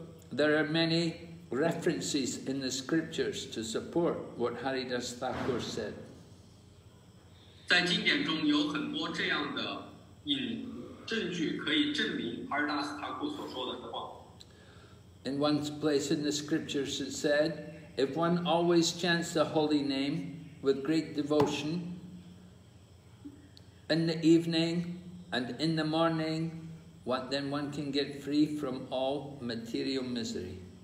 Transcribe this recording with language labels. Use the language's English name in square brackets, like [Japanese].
[English] there are many references in the scriptures to support what Haridas Thakur said. [Chinese] 在经典中有很多这样的证据可以证明哈尔达斯塔库所说的话。 [English] In one place in the scriptures, it said. If one always chants the holy name with great devotion in the evening and in the morning, then one can get free from all material misery.